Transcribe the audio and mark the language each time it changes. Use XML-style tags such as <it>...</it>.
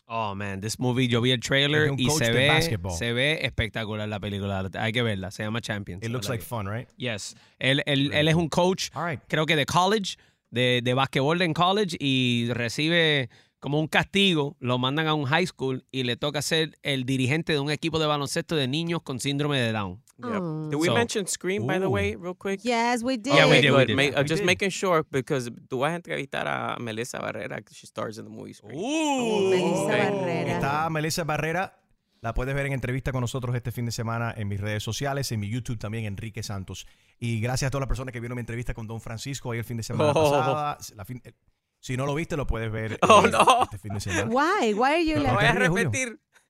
<en>Oh, man. This movie,</en> <es>yo vi el trailer y se ve espectacular la película. Hay que verla. Se llama Champions.</es> <en>It looks like fun, right? Yes.</en> <es>Él es un coach,</es> <en>all right,</en> <es>creo que de college, de basketball en college, y recibe... como un castigo, lo mandan a un high school y le toca ser el dirigente de un equipo de baloncesto de niños con síndrome de Down.</es> <en>Yep. Did we mention Scream, by the way, real quick? Yes, we did. Yeah, we did. We did. Just making sure, because do I have to get a Melissa Barrera, because she stars in the movie Scream. Ooh. Ooh. Melissa Barrera.</en> <es>Está Melissa Barrera. La puedes ver en entrevista con nosotros este fin de semana en mis redes sociales, en mi YouTube también, Enrique Santos. Y gracias a todas las personas que vieron mi entrevista con Don Francisco ahí el fin de semana pasada. Si no lo viste, lo puedes ver este fin de semana.</es> <en>Why? Why are you laughing?</en> <es>Lo voy a repetir.</es>